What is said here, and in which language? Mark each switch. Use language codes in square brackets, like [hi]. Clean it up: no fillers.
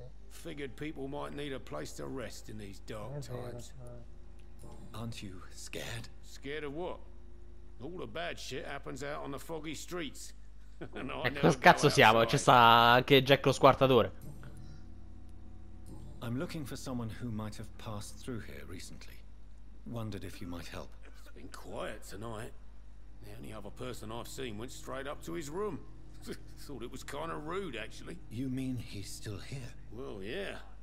[en] Figured people might need a place to rest in these dark times. Aren't you scared? Scared of what? All the bad shit happens out on the foggy streets. [it] E che cazzo siamo? Ci sta anche Jack lo squartatore. [en] I'm looking for someone who might have passed through here recently. Wondered if you might help. It's been quiet tonight. The only other person I've seen went straight up to his room. Thought it was kind of rude, actually. You mean he's still here? Well, yeah.